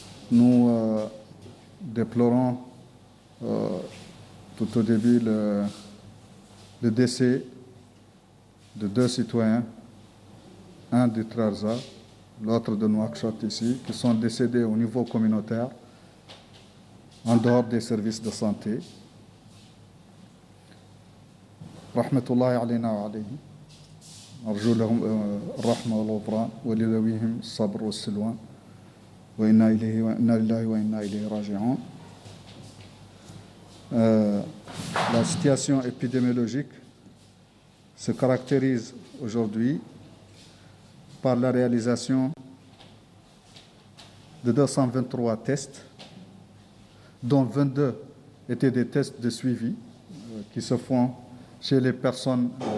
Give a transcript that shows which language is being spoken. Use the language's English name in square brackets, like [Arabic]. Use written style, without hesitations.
[French] Nous déplorons tout au début le décès de deux citoyens, un de Trarza, l'autre de Nouakchott ici, qui sont décédés au niveau communautaire, en dehors des services de santé. [Arabic] رحمة الله علينا وعليهم، أرجو لهم الرحمة والغفران، ولذويهم الصبر والسلوان، وإنا إليه وإنا لله وإنا إليه راجعون. [French] La situation épidémiologique se caractérise aujourd'hui par la réalisation de 223 tests, dont 22 étaient des tests de suivi qui se font chez les personnes